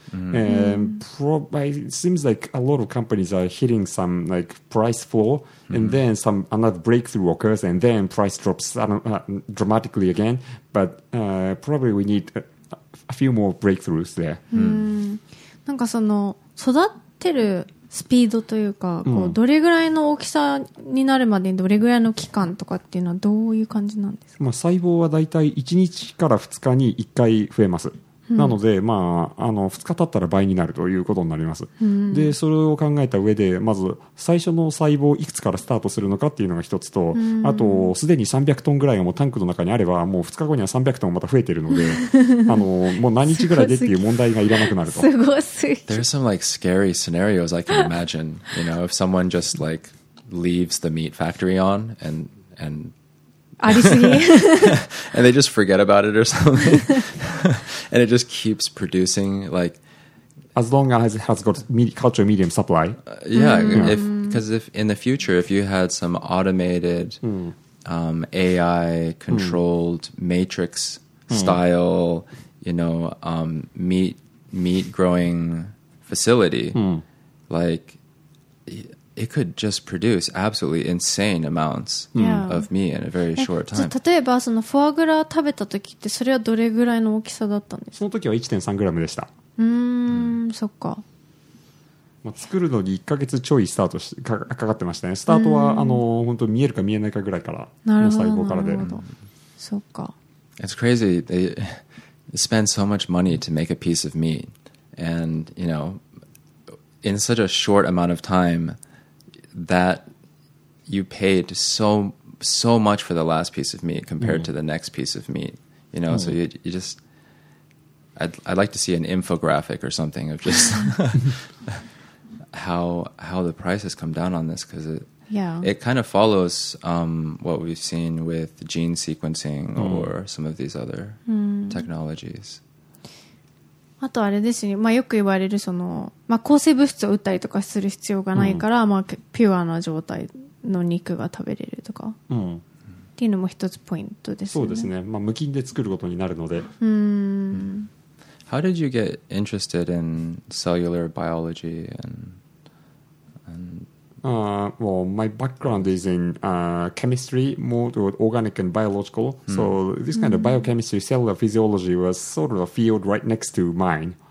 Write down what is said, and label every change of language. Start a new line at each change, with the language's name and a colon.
English: It seems like a lot of companies are hitting some like price floor, and then some another breakthrough occurs, and then price drops dramatically again. But probably we need a few more breakthroughs there.
Japanese: なんかその育ってるスピードというか、こうどれぐらいの大きさになるまでどれぐらいの期間とかっていうのはどういう感じなんですか？まあ、細胞はだいたい1日から2日に1回増えます。なので、まあ、2日経ったら倍になるということになります。で、それを考えた上で、まず最初の細胞いくつからスタートするのかっていうのが一つと、あとすでに300トンぐらいがもうタンクの中にあれば、もう2日後には300トンまた増えてるので、もう何日ぐらいでっていう問題がいらなくなると。すごすぎ。
English: There's some like scary scenarios I can imagine. You know, if someone just like leaves the meat factory on and and they just forget about it or something, and it just keeps producing like as long as it has got cultural medium supply. If in the future if you had some automated AI controlled matrix style, you know, meat growing facility, like it could just produce absolutely insane amounts of meat in a very short time.
Japanese: 例えばそのフォアグラ食べた時ってそれはどれぐらいの大きさだったんですか？その時は 1.3 グラムでした。そっか。まあ、作るのに1ヶ月ちょいスタートしかかってましたね。スタートは本当見えるか見えないかぐらいから、細胞からで。なるほど。そっか。
English: It's crazy. They spend so much money to make a piece of meat. And, you know, in such a short amount of time,that you paid so much for the last piece of meat compared to the next piece of meat, you know. So you just, I'd like to see an infographic or something of just how the price has come down on this, because it kind of follows what we've seen with gene sequencing or some of these other technologies.
Japanese: あとあれですね、まあ、よく言われるその、まあ、抗生物質を打ったりとかする必要がないから、まあ、ピュアな状態の肉が食べれるとか、っていうのも一つポイントですね。そうですね、まあ、無菌で作ることになるので。
English: How did you get interested in cellular biology Well, my background is in chemistry, more to organic and biological. So this kind of biochemistry, cellular physiology was sort of a field right next to mine.